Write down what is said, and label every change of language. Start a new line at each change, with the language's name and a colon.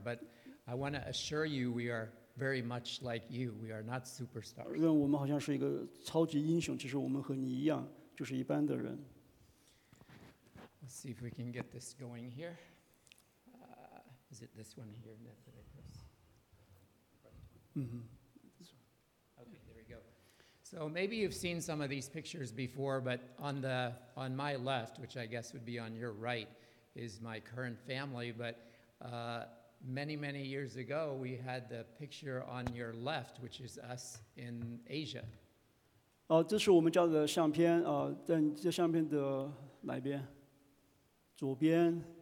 English: But I want to assure you, we are very much like you. We are not superstars.
Chinese: 认为我们好像是一个超级英雄，其实我们和你一样，就是一般的人。
English: Let's see if we can get this going here. Is it this one here that I press? Right. Mm-hmm. This one. Okay, there we go. So maybe you've seen some of these pictures before, but on my left, which I guess would be on your right, is my current family. But many, many years ago, we had the picture on your left, which is us in Asia.
Chinese: 这是我们家的相片，在这相片的哪边？左边？